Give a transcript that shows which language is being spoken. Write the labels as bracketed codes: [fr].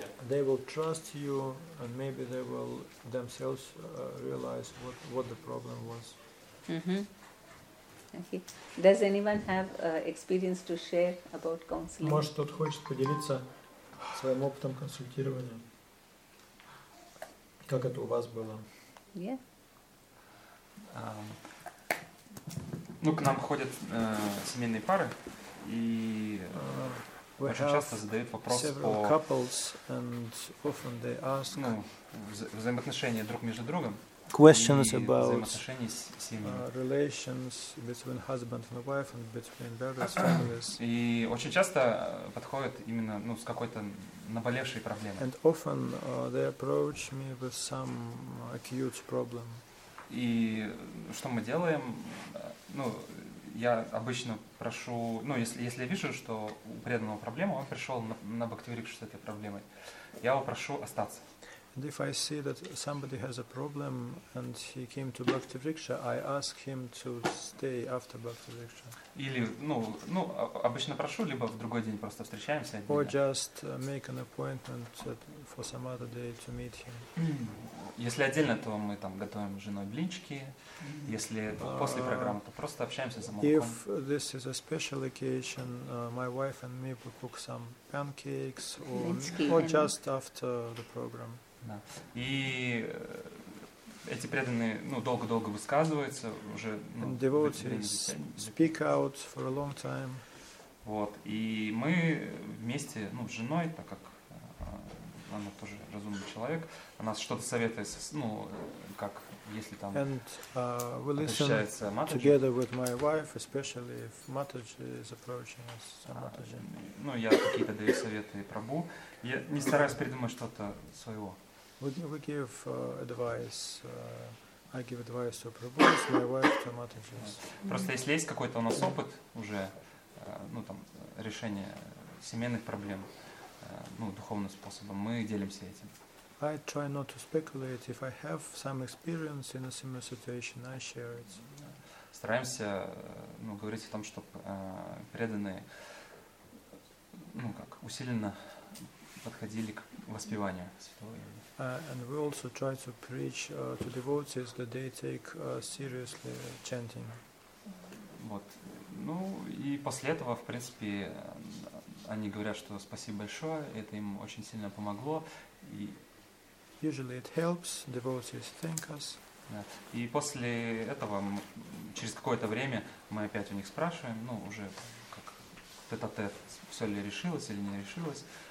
[en] They will trust you, and maybe they will themselves realize what the problem was. Mm-hmm. Okay. Does anyone have experience to share about counseling? [ru] Может, кто-то хочет поделиться своим опытом консультирования? Как это у вас было? Yeah. Ну, к нам ходят семейные пары. И очень часто задают вопрос по [en] couples, and often they ask, [ru] ну, взаимоотношения друг между другом. [en] Questions [ru] и [en] about [ru] взаимоотношения с семьей. [en] Relations between husband and wife and between various families. [ru] И очень часто подходят именно, ну, с какой-то наболевшей проблемой. [en] And often they approach me with some acute problem. [ru] И что мы делаем? Ну, я обычно прошу, ну, если я вижу, что у преданного проблема, он пришел на Бхактиврикшу с этой проблемой, я его прошу остаться. [en] And if I see that somebody has a problem and he came to Bhaktivriksha, I ask him to stay after Bhaktivriksha. [ru] Или, ну, обычно прошу, либо в другой день просто встречаемся. [en] Or just make an appointment for some other day to meet him. [ru] Если отдельно, то мы там готовим с женой блинчики. Если после программы, то просто общаемся за молоком. [en] If this is a special occasion, my wife and me will cook some pancakes or just after the program. [ru] Да. И эти преданные, ну, долго-долго высказываются уже. Ну, [en] and devotees speak out for a long time. [ru] Вот. И мы вместе, ну, с женой, так как она тоже разумный человек, она что-то советует, ну, как если там обращается Матаджи. [en] Together with my wife, especially if Матаджи is approaching us. [ru] Ну, я какие-то даю советы Прабу. Я не стараюсь придумать что-то своего. [en] We give advice. I give advice to Prabhu, to my wife, to Mataji. [ru] Просто если есть какой-то у нас опыт уже, ну там, решение семейных проблем, ну, духовным способом, мы делимся этим. [en] I try not to speculate. If I have some experience in a similar situation, I share it. [ru] Стараемся, ну, говорить о том, чтобы преданные, ну, как, усиленно подходили к воспеванию святого имени. [en] And we also try to preach to devotees that they take seriously chanting. [ru] Вот. Ну и после этого, в принципе, они говорят, что спасибо большое, это им очень сильно помогло. И [en] usually it helps. Devotees thank us. [ru] Да. И после этого, через какое-то время, мы опять у них спрашиваем, ну, уже как тет-а-тет, все ли решилось или не решилось.